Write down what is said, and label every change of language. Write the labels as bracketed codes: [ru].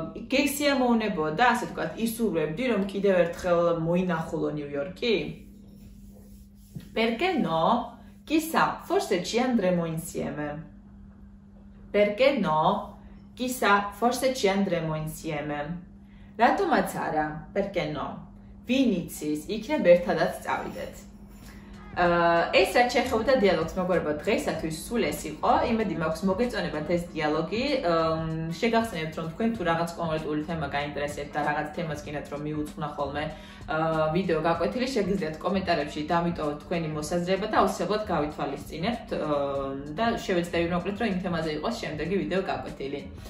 [ka] Გეგსია მოუნებოდა, ასე ვთქვათ, ისურვებდი, რომ კიდევ ერთხელ მოინახულო New York-ი? [it] Perché no? Chissà, forse ci andremo insieme. Perché no? Chissà, forse ci andremo insieme. Rato Mazzara, perché no? [ka] Vinicius, იქნებ ერთადაც წავიდეთ. Ეს რაც შეხვდა დიალოგს, მოგვარება დღესათვის სულ ეს იყო. იმედი მაქვს მოგეწონებათ ეს დიალოგი. შეგახსენებთ, რომ თქვენ თუ რაღაც კონკრეტული თემა გაინტერესებთ და რაღაც თემას კიდეთ რომ მიუძღვნა ხოლმე ვიდეო გაკვეთილი, შეგიძლიათ კომენტარებში დამიტოვოთ თქვენი მოსაზრება და აუცილებლად გავითვალისწინებთ და შევეცდები მოკლედ რომ იმ თემაზე იყოს შემდეგი ვიდეო გაკვეთილი.